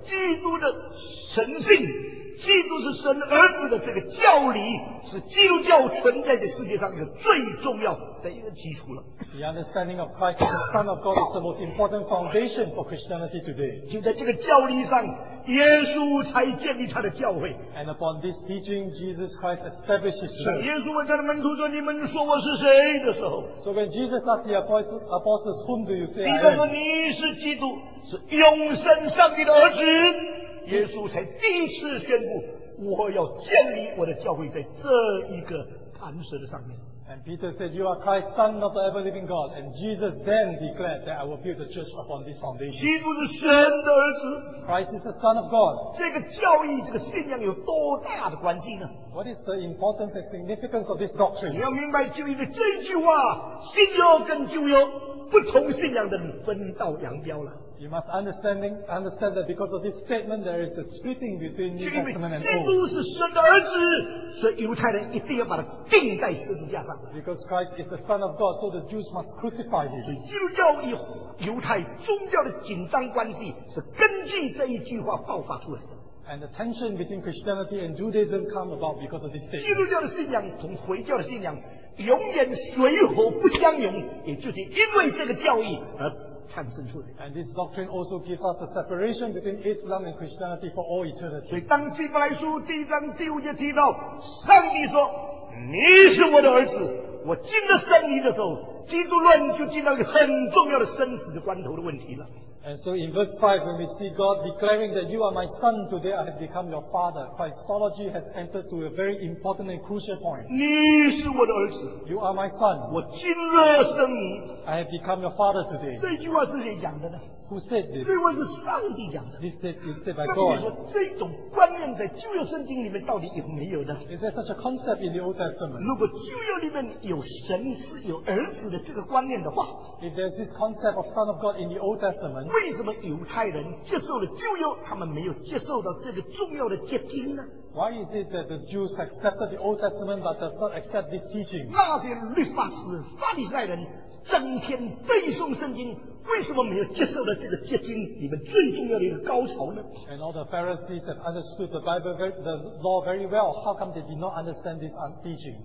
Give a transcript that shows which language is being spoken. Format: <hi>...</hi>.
<zh>基督的神性，基督是神儿子的这个教理，是基督教存在的世界上一个最重要的一个基础了。</zh> <en>The understanding of Christ as the Son of God is the most important foundation for Christianity today.</en> <zh>就在这个教理上，耶稣才建立他的教会。</zh> <en>And upon this teaching, Jesus Christ established His church.</en> <zh>耶稣问他的门徒说：“你们说我是谁？” 的时候</zh> <en>，So when Jesus asked the apostles, "Whom do you say I am?"</en> <zh>彼得说：“你是基督，是永生上帝的儿子。” 耶稣才第一次宣布，我要建立我的教会在这一个磐石的上面。</zh> <en>And Peter said, "You are Christ, Son of the Ever Living God." And Jesus then declared that I will build the church upon this foundation.</en> <zh>基督是神的儿子。</zh> <en>Christ is the Son of God.</en> <zh>这个教义、这个信仰有多大的关系呢？</zh> <en>What is the importance and significance of this doctrine?</en> <zh>你要明白旧约的这句话，新约跟旧约不同信仰的你分道扬镳了。</zh> <en>You must understand that because of this statement, there is a splitting between New Testament and Old.</en> <zh>基督是神的儿子，所以犹太人一定要把他钉在十字架上。</zh> <en>Because Christ is the Son of God, so the Jews must crucify him.</en> <zh>所以基督教与犹太宗教的紧张关系是根据这一句话爆发出来的。</zh> <en>And the tension between Christianity and Judaism come about because of this statement.</en> <zh>基督教的信仰同回教的信仰永远水火不相容，也就是因为这个教义而。</zh> <en>And this doctrine also gives us a separation between Islam and Christianity for all eternity.</en> <zh>所以当希伯来书第一章第五节提到上帝说你是我的儿子，我进了圣礼的时候，基督论就进到一个很重要的生死的关头的问题了。</zh> <en>And so in verse 5, when we see God declaring that you are my son, today I have become your father, Christology has entered to a very important and crucial point.</en> <zh>你是我的儿子。</zh> <en>You are my son.</en> <zh>我今日生你。</zh> <en>I have become your father today.</en> <zh>这句话是谁讲的呢？</zh> <en>Who said this?</en> <zh>这位是上帝讲的。</zh> <en>This is said by God.</en> <zh>那么你说这种观念在旧约圣经里面到底有没有呢？</zh> <en>Is there such a concept in the Old Testament?</en> <zh>如果旧约里面有神是有儿子的这个观念的话，</zh> <en>If there's this concept of son of God in the Old Testament,</en> <zh>为什么犹太人接受了旧约，他们没有接受到这个重要的结晶呢？</zh> <en>Why is it that the Jews accepted the Old Testament but does not accept this teaching?</en> <zh>那些律法师、法利赛人整天背诵圣经，为什么没有接受到这个结晶里面最重要的一个高潮呢？</zh> <en>And all the Pharisees have understood the Bible, the law very well. How come they did not understand this teaching?</en>